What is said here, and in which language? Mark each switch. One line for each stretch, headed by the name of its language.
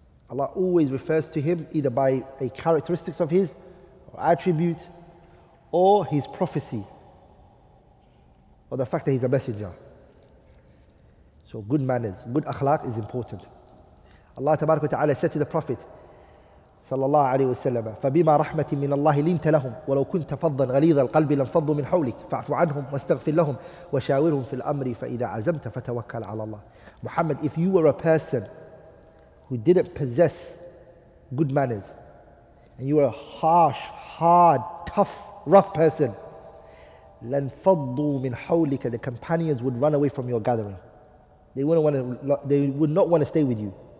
English: Allah always refers to him either by a characteristics of his or attribute or his prophecy or the fact that he's a messenger. So good manners, good akhlaq is important.
Arabic: Allah tabarak wa ta'ala
English: said to the Prophet
Arabic: sallallahu alayhi wa sallam, فَبِمَا رَحْمَةٍ مِّنَ اللَّهِ لِنْتَ لَهُمْ وَلَوْ كُنْتَ فَضًّا غَلِيظَ الْقَلْبِ لَنْفَضُّ مِنْ حَوْلِكَ فَاعْفُ عَنْهُمْ وَاسْتَغْفِرْ لَهُمْ وَشَاوِرْهُمْ فِي الْأَمْرِ فَإِذَا عَزَمْتَ فَتَوَكَّلْ عَلَى اللَّهِ.
English: Muhammad, if you were a person who didn't possess good manners and you were a harsh, hard, tough, rough person,
Arabic: لَنْفَضُّوا مِنْ حَوْلِكَ,
English: the companions would run away from your gathering. They would not want to stay with you.